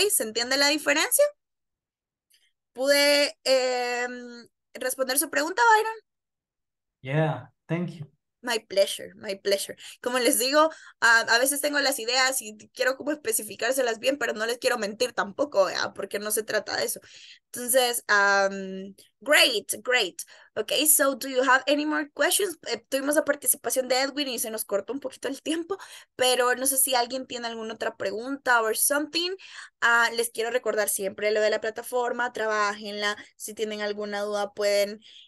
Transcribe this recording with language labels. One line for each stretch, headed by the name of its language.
Spanish: ¿Se entiende la diferencia? ¿Pude responder su pregunta, Byron?
English: Yeah, thank you. My pleasure, my pleasure.
Spanish: Como les digo, a veces tengo las ideas y quiero como especificárselas bien, pero no les quiero mentir tampoco, ¿verdad? Porque no se trata de eso. Entonces,
English: great, great. Ok, so do you have any more questions?
Spanish: Tuvimos la participación de Edwin y se nos cortó un poquito el tiempo, pero no sé si alguien tiene alguna otra pregunta
English: or something.
Spanish: Les quiero recordar siempre lo de la plataforma, trabájenla. Si tienen alguna duda, pueden.